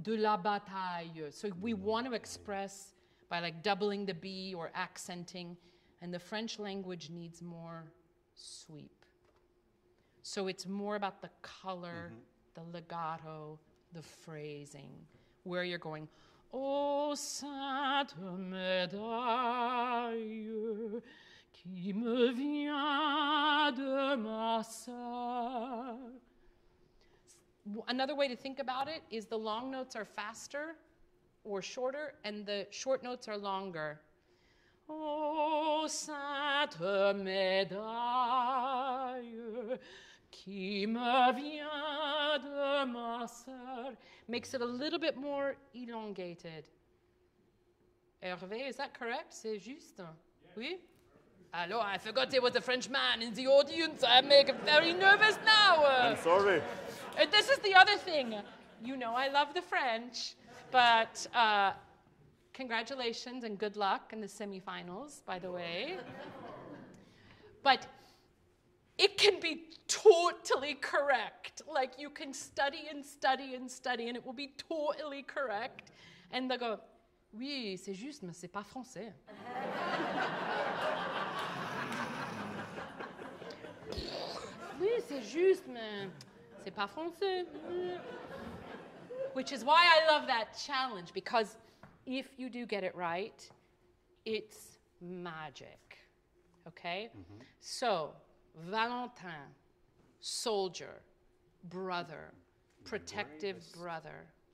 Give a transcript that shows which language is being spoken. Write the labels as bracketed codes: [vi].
[fr] de la bataille. [en] So we want to express by like doubling the B or accenting, and the French language needs more sweep. So it's more about the color, mm-hmm. the legato, the phrasing, where you're going. [fr] Sainte médaille qui me vient de ma sœur. [en] Another way to think about it is the long notes are faster or shorter, and the short notes are longer. [fr] Sainte médaille qui me vient de ma sœur. [en] Makes it a little bit more elongated. Hervé, is that correct? [fr] C'est juste? [en] Yes. [fr] Oui? [en] Hello, I forgot it was a French man in the audience. I make very nervous now. I'm sorry. This is the other thing. You know I love the French, but congratulations and good luck in the semifinals, by the way. But it can be totally correct. Like, you can study and study and study, and it will be totally correct. And they go, [fr] oui, c'est juste, mais c'est pas français. Oui, c'est juste, mais c'est pas français. [en] Which is why I love that challenge, because if you do get it right, it's magic. Okay? Mm-hmm. So, Valentin, soldier, brother, protective brother.